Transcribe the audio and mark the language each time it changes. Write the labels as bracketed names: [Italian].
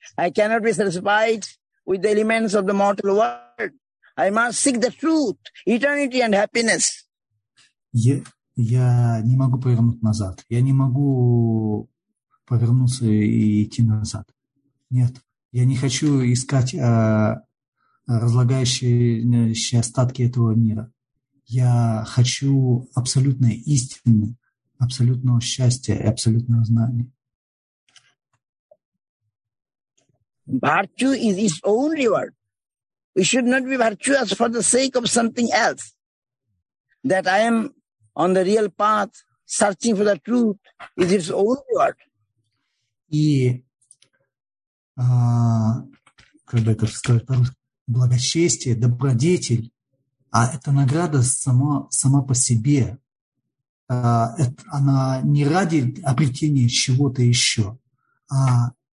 [English] I cannot be satisfied with the elements of the mortal world. I must seek the truth, eternity and happiness. [Russian] Я не могу повернуть назад. Я не могу повернуться и идти назад. Нет, я не хочу искать разлагающиеся остатки этого мира. Я хочу абсолютной истины, абсолютного счастья и абсолютного знания. [English] Virtue is its own reward. We should not be virtuous for the sake of something else. That I am on the real path, searching for the truth, is its own reward. [Russian] И как бы это сказать по-русски? Благочестие, добродетель, а это награда сама по себе. Она не ради обретения чего-то еще, а